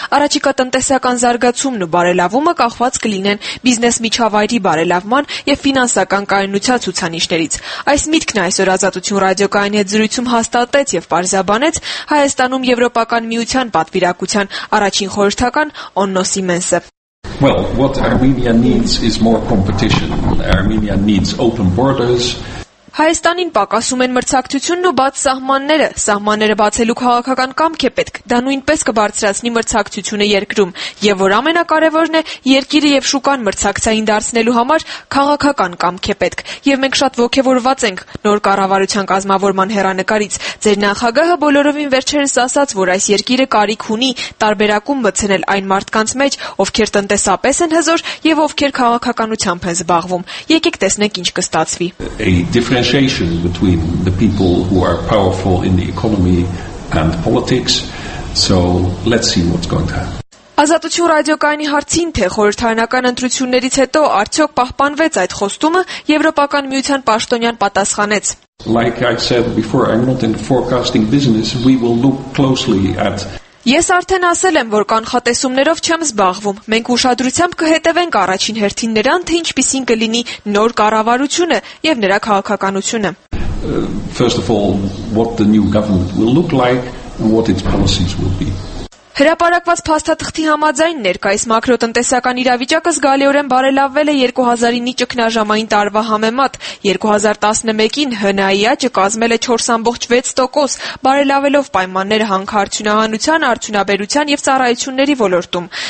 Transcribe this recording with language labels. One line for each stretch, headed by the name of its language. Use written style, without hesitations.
Armenian: Առաջիկա տնտեսական զարգացումն ու բարելավումը կախված կլինեն բիզնես միջավայրից, վայրի բարելավման և ֆինանսական կայունության ցուցանիշներից։ Այս միտքն այսօր Ազատություն ռադիոկայանի հետ զրույցում հաստատեց և պարզաբանեց Հայաստանում Եվրոպական միության պատվիրակության առաջին խորհրդական Օննո Սիմենսը։
English: Well, what Armenia needs is more competition. Armenia needs open borders.
Armenian: Հայաստանին պակասում են մրցակցությունն ու բաց սահմանները, սահմանները բացելու քաղաքական կամք է պետք, դա նույնպես կբարձրացնի մրցակցությունը երկրում, և որ ամենակարևորն է, երկիրը և շուկան մրցակցային դարձնելու համար քաղաքական կամք է պետք, և մենք շատ ոգևորված ենք նոր կառավարության կազմավորման հեռանկարից։ Ձեր նախագահը բոլորովին վերջերս ասաց, որ այս երկիրը կարիք ունի տարբերակում մտցնել այն մարդկանց մեջ, ովքեր տնտեսապես են հզոր և ովքեր քաղաքականությամբ են զբաղվում։ Եկեք տեսնենք ինչ կստացվի։
English: Differentiation between the people who are powerful in the economy and politics. So let's see what's going to happen.
Armenian: Ազատություն ռադիոկայանի հարցին, թե խորհրդարանական ընտրություններից հետո արդյոք պահպանվեց այդ խոստումը, Եվրոպական միության պաշտոնյան պատասխանեց.
English: Like I said before, I'm not in the forecasting business. We will look closely at.
Armenian: Ես արդեն ասել եմ, որ կանխատեսումներով չեմ զբաղվում, մենք ուշադրությամբ կհետևենք առաջին հերթին նրան, թե ինչպիսին կլինի նոր կառավարությունը և նրա քաղաքականությունը։
English: First of all, what the new government will look like and what its policies will be.
Armenian: Հրապարակված փաստաթղթի համաձայն ներկայիս մակրոտնտեսական իրավիճակը զգալիորեն բարելավվել է 2009-ի ճգնաժամային տարվա համեմատ։ 2011-ին ՀՆԱ-ի աճը կազմել է 4.6%, բարելավելով պայմանները հանքարդյունահանության, արդյունաբերության և ծառայությունների ոլորտում,